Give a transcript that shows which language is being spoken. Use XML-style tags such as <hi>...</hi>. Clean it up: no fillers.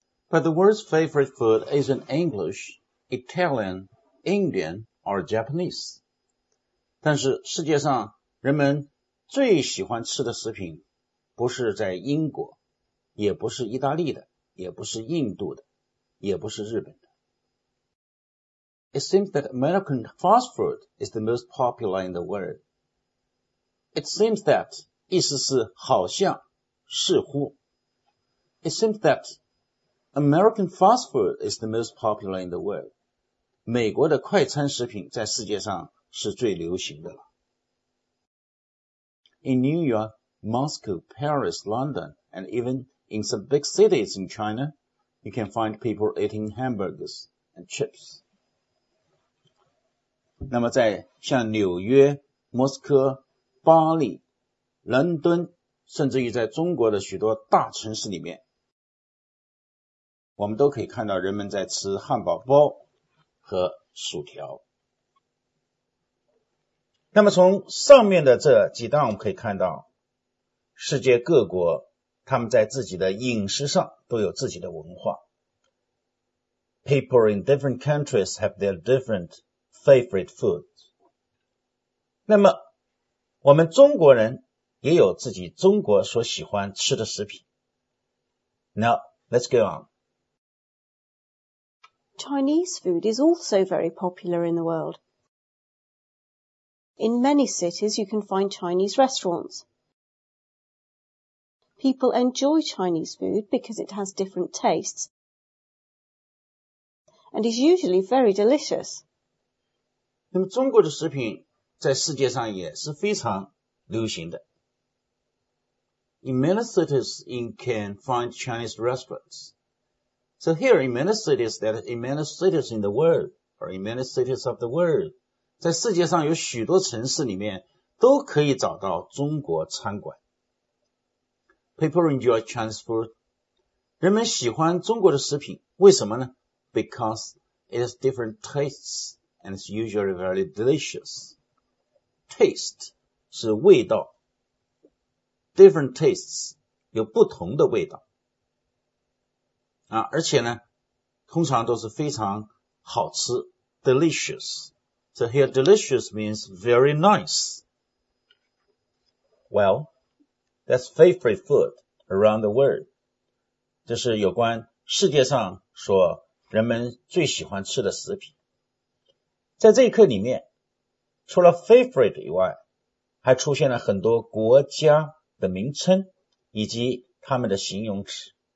<en>But the world's favorite food isn't English, Italian, Indian,or Japanese.</en> <zh>但是世界上人们最喜欢吃的食品不是在英国，也不是意大利的，也不是印度的，也不是日本的。</zh> <en>It seems that American fast food is the most popular in the world. It seems that,</en> <zh>意思是好像，似乎。</zh> <en>It seems that American fast food is the most popular in the world.</en> <zh>美国的快餐食品在世界上是最流行的了。</zh> <en>In New York, Moscow, Paris, London, and even in some big cities in China, you can find people eating hamburgers and chips.</en> <zh>那么在像纽约、莫斯科、巴黎、伦敦，甚至于在中国的许多大城市里面，我们都可以看到人们在吃汉堡包和薯条。那么从上面的这几段我们可以看到，世界各国他们在自己的饮食上都有自己的文化。</zh> <en>People in different countries have their different favorite foods.</en> <zh>那么我们中国人也有自己中国所喜欢吃的食品。</zh> <en>Now, let's go on. Chinese food is also very popular in the world. In many cities, you can find Chinese restaurants. People enjoy Chinese food because it has different tastes and is usually very delicious.</en> <zh>那么中国的食品在世界上也是非常流行的。</zh> <en>In many cities, you can find Chinese restaurants. So here, in many cities of the world,</en> <zh>在世界上有许多城市里面都可以找到中国餐馆。</zh> <en>People enjoy Chinese food.</en> <zh>人们喜欢中国的食品，为什么呢？</zh> <en>Because it has different tastes and it's usually very delicious.</en> <zh>Taste 是味道。</zh> <en>Different tastes</en> <zh>有不同的味道啊，而且呢通常都是非常好吃 delicious.</zh> <en>So here delicious means very nice. Well, that's favorite food around the world.</en> <zh>这是有关世界上所人们最喜欢吃的食品。在这一课里面除了 favorite 以外还出现了很多国家的名称以及他们的形容词。</zh>